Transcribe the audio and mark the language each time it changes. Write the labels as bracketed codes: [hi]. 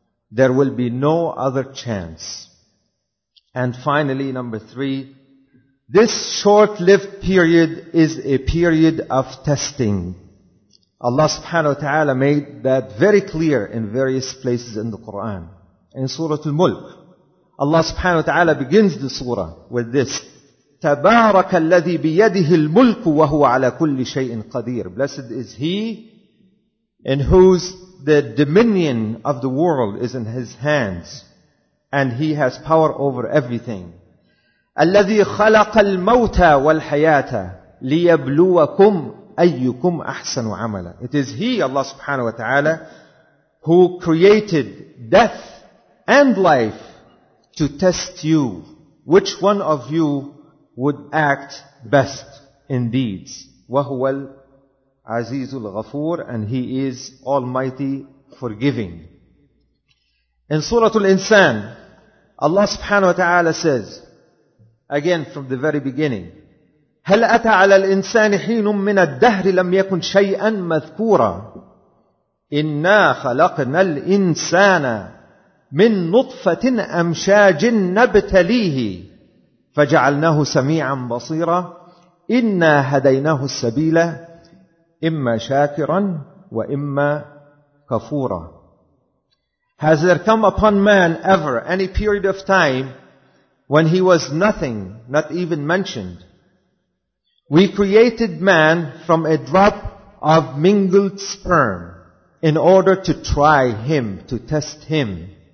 [en] There will be no other chance. And finally, number three, this short-lived period is a period of testing. Allah subhanahu wa ta'ala made that very clear in various places in the Quran. In Surah Al-Mulk, Allah subhanahu wa ta'ala begins the surah with this. [ar] تبارك الذي بيده الملك وهو على كل شيء قدير. [en] Blessed is He in whose the dominion of the world is in His hands and He has power over everything. [ar] الذي خلق الموت والحياة ليبلوكم أيكم أحسن عملا. [en] It is He, Allah subhanahu wa ta'ala, who created death and life to test you. Which one of you would act best in deeds? [ar] وَهُوَ الْعَزِيزُ الْغَفُورُ. [en] And He is Almighty, Forgiving. In Surah Al-Insan, Allah subhanahu wa ta'ala says, again from the very beginning, [ar] هَلْ أَتَى عَلَى الْإِنسَانِ حِينٌ مِّنَ الدَّهْرِ لَمْ يَكُنْ شَيْئًا مَذْكُورًا إِنَّا خَلَقْنَا الْإِنسَانَ مِنْ نُطْفَةٍ أَمْشَاجٍ نَبْتَلِيهِ فَجَعَلْنَاهُ سَمِيعًا بَصِيرًا إِنَّا هَدَيْنَاهُ السَّبِيلَ إِمَّا شَاكِرًا وَإِمَّا كَفُورًا. [en] Has there come upon man ever any period of time when he was nothing, not even mentioned? We created man from a drop of mingled sperm in order to try him, to test him.